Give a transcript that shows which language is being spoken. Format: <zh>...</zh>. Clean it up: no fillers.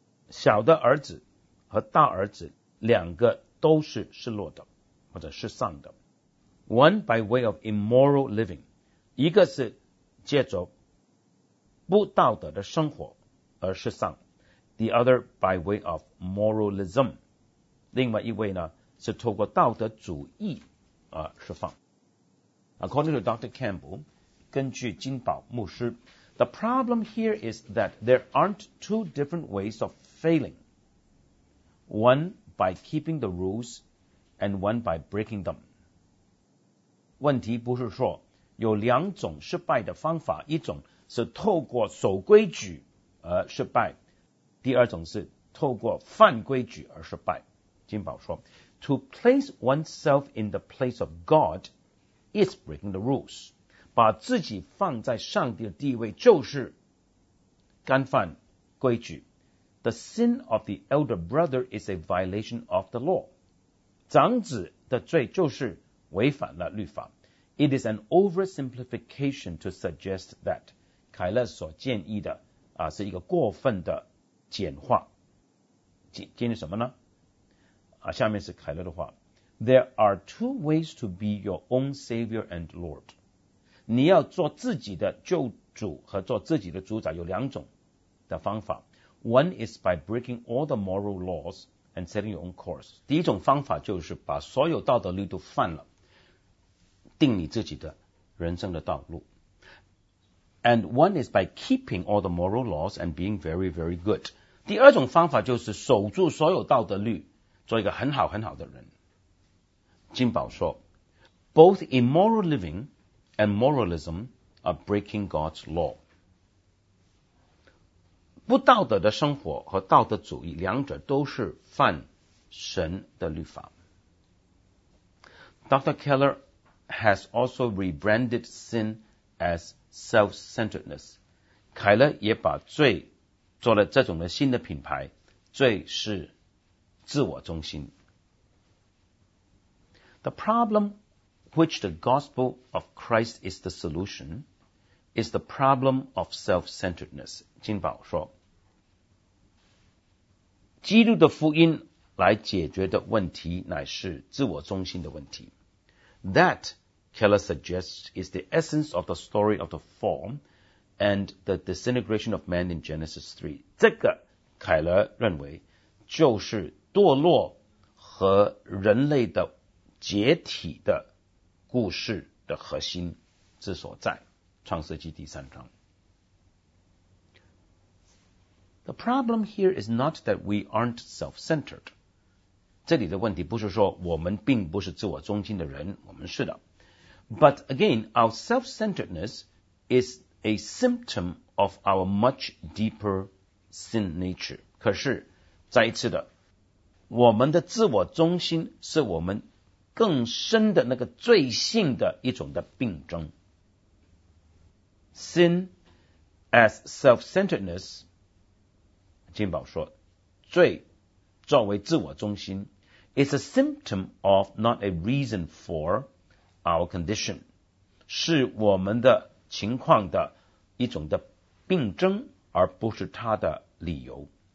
<zh>小的儿子和大儿子两个都是失落的或者失丧的。</zh> <en>One by way of immoral living,</en> <zh>一个是借着不道德的生活而失丧。</zh> <en>The other by way of moralism.</en> <zh>另外一位呢是透过道德主义而释放。</zh> <en>According to Dr. Campbell,</en> <zh>根据金宝牧师，</zh> <en>The problem here is that there aren't two different ways of failing. One by keeping the rules and one by breaking them.</en> <zh>问题不是说有两种失败的方法，一种是透过守规矩而失败，第二种是透过犯规矩而失败。金宝说，</zh> <en>To place oneself in the place of God is breaking the rules.</en> <zh>把自己放在上帝的地位就是干犯规矩。</zh> <en>The sin of the elder brother is a violation of the law.</en> <zh>长子的罪就是违反了律法。</zh> <en>It is an oversimplification to suggest that.</en> <zh>凯勒所建议的是一个过分的简化，建议什么呢？下面是凯勒的话，</zh> <en>There are two ways to be your own savior and lord.</en> <zh>你要做自己的救主和做自己的主宰有两种的方法。</zh> <en>One is by breaking all the moral laws and setting your own course.</en> <zh>第一种方法就是把所有道德律都犯了，定你自己的人生的道路。</zh> <en>And one is by keeping all the moral laws and being very, very good.</en> <zh>第二种方法就是守住所有道德律，做一个很好很好的人。金宝说</zh> <en>,Both immoral living and moralism are breaking God's law.</en> <zh>不道德的生活和道德主义两者都是犯神的律法。</zh> <en>Dr. Keller has also rebranded sin as self-centeredness.</en> <zh>凯勒也把罪做了这种的新的品牌，罪是自我中心。</zh> <en>The problem which the gospel of Christ is the solution is the problem of self-centeredness.</en> <zh>金宝说，基督的福音来解决的问题乃是自我中心的问题。</zh> <en>That, Keller suggests, is the essence of the story of the fall and the disintegration of man in Genesis 3.</en> <zh>这个凯勒认为就是堕落和人类的解体的故事的核心之所在，创世纪第三章。</zh> <en>The problem here is not that we aren't self-centered.</en> <zh>这里的问题不是说我们并不是自我中心的人，我们是的。</zh> <en>But again, our self-centeredness is a symptom of our much deeper sin nature.</en> <zh>可是再一次的，我们的自我中心是我们更深的那个罪性的一种的病症。</zh> <en>Sin as self-centeredness,</en> <zh>金宝说，罪作为自我中心</zh> <en>is a symptom of not a reason for our condition,</en> <zh>是我们的情况的一种的病症，而不是它的理由。</zh>